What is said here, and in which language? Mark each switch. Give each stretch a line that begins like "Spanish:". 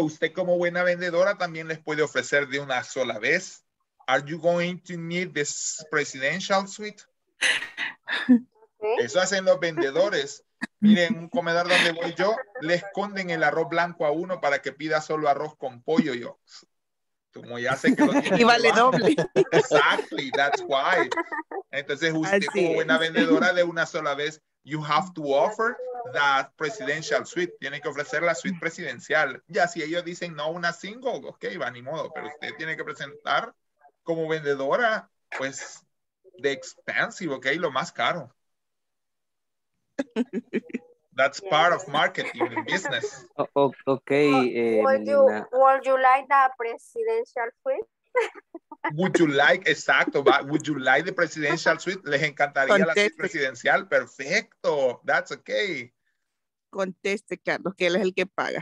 Spanish: Usted como buena vendedora también les puede ofrecer de una sola vez.
English: Are you going to need this presidential suite?
Spanish: Eso hacen los vendedores. Miren, un comedor donde voy yo, le esconden el arroz blanco a uno para que pida solo arroz con pollo. Yo, como ya sé que lo tiene. Y vale doble.
English: Exactly, that's why.
Spanish: Entonces, usted así como buena vendedora de una sola vez,
English: you have to offer that presidential suite.
Spanish: Tiene que ofrecer la suite presidencial. Ya si ellos dicen no, una single, ok, va, ni modo. Pero usted tiene que presentar como vendedora, pues,
English: the expensive,
Spanish: ok, lo más caro.
English: That's part of marketing in business. Oh, okay. Would you like the presidential suite? Would you like, exacto, but would you like the presidential suite?
Spanish: Les encantaría la suite presidencial. Perfecto.
English: That's okay.
Spanish: Conteste, Carlos, que él es el que paga.